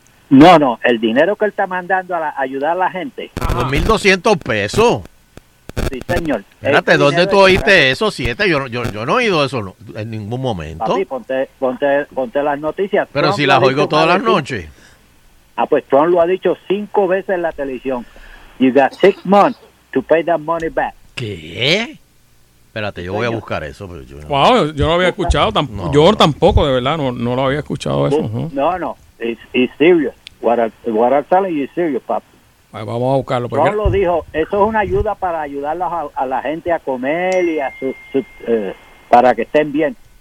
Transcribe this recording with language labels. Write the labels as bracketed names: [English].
[Spanish] No, el dinero que él está mandando a ayudar a la gente. $2,200. Sí, señor. Espérate, ¿dónde tú oíste eso, siete? Yo no he oído eso en ningún momento. Papi, ponte las noticias. Pero Trump, si las oigo todas las noches. Ah, pues Trump lo ha dicho 5 veces en la televisión. [English] You got 6 months to pay that money back. [Spanish] ¿Qué? Espérate, yo voy a buscar eso. Pero yo no. Wow, yo no lo había escuchado. Tampoco, de verdad, no lo había escuchado eso. [English] No, it's serious. What I'm telling you is serious, papi. [Spanish] Vamos a buscarlo. Porque Trump lo dijo, eso es una ayuda para ayudarlos a la gente a comer y a para que estén bien.